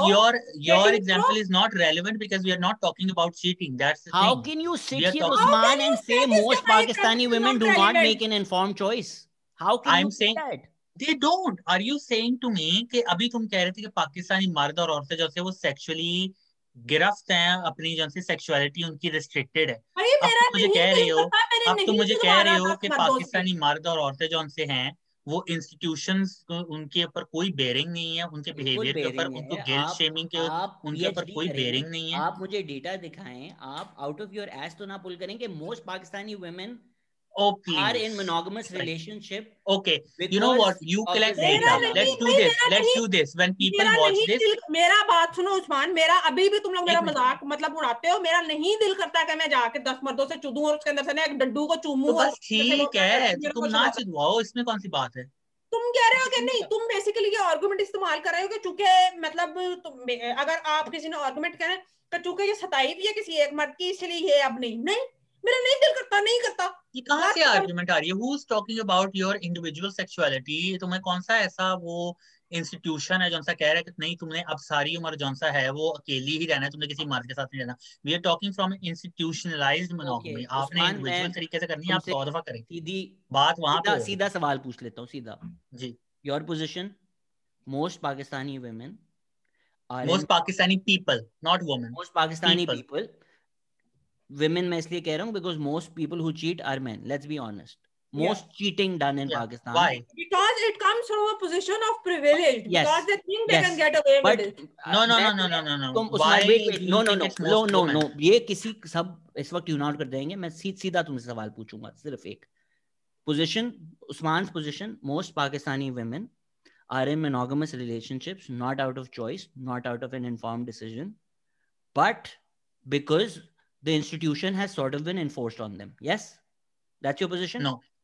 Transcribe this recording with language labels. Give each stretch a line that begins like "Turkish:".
English: but your example is not relevant because we are not talking about cheating that's the how thing. Can you sit here Usman and say most Pakistani women do not make an informed choice how can I'm you saying say that they don't are you saying to me
Hindi: ke abhi tum keh rahe the ke Pakistani mard aur aurte jo the wo sexually गिरफ्त हैं अपनी जैसे sexuality उनकी restricted है अब तुम मुझे कह रहे हो कि पाकिस्तानी मर्द और औरतें जो उनसे हैं वो इंस्टीट्यूशंस उनके ऊपर कोई बेयरिंग नहीं है उनके बिहेवियर के ऊपर उनको गिल्ट शेमिंग के उनके ऊपर कोई बेयरिंग नहीं है आप मुझे डेटा दिखाएं आप
English: out of your ass
Hindi: तो ना पुल करें कि
English: Most Pakistani women are in monogamous relationship. Okay, you know what? You collect data. Let's do this. When people watch this,
Hindi: मेरा बात सुनो उस्मान. मेरा अभी भी तुम लोग मेरा मजाक मतलब उड़ाते हो. मेरा नहीं दिल करता कि मैं जा के 10 मर्दों से चुदूं और उसके अंदर से ना एक डड्डू को चूमूं. ठीक है. तुम ना चुदवाओ. इसमें कौन सी बात है? तुम कह रहे हो कि नहीं, तुम बेसिकली ये आर्गुमेंट इस्तेमाल कर रहे हो कि चूंकि मतलब अगर आप किसी ने आर्गुमेंट कह रहे हैं चूंकि ये सताई भी है किसी एक मर्द की, इसलिए ये अब नहीं, नहीं मेरा नहीं दिल करता, नहीं करता। ये कहां से आर्गुमेंट आ रही है?
English: Who's talking about your individual sexuality?
Hindi: तुम्हें कौन सा ऐसा वो इंस्टीट्यूशन है जोनसा कह रहा है कि नहीं तुमने अब सारी उम्र जोनसा है वो अकेली ही रहना है, तुमने किसी मर्द के साथ नहीं रहना।
English: We are talking from institutionalised monogamy.
Hindi: आपने इंडिविजुअल तरीके से करनी है, आप सौ दफा करें। सीधी बात वहां पे सीधा सवाल पूछ लेता हूं सीधा जी।
English: your position, most Pakistani women, most Pakistani people, not women, most Pakistani people, women
Hindi: मैं इसलिए कह रहा हूं
English: Because most people who cheat are men, let's be honest. Most cheating done in Pakistan. Why? Because it comes from a position of privilege. Yes. Because they think they can get away with it. No.
Hindi: ये किसी सब इस वक्त tune out कर देंगे। मैं सीधा तुमसे सवाल पूछूंगा सिर्फ एक।
English: Position, Usman's position, most Pakistani women are in monogamous relationships, not out of choice, not out of an informed decision, but because the institution has sort of been enforced on them. Yes? That's your position? No.